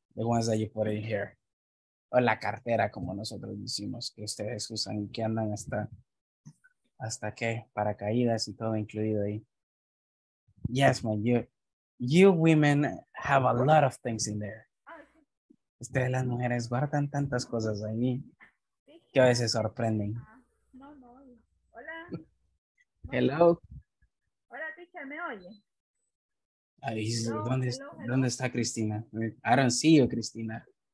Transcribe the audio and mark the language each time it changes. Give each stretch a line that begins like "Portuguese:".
English: The ones that you put in here.
Spanish: O la cartera, como nosotros decimos, que ustedes usan y que andan hasta qué, paracaídas y todo incluido ahí.
English: Yes, man, you women have a lot of things in there.
Spanish: Ustedes las mujeres guardan tantas cosas ahí que a veces sorprenden.
English: Hello.
Spanish: Hola, teacher, ¿me oye? ¿Dónde está Cristina?
English: I don't see you, Cristina.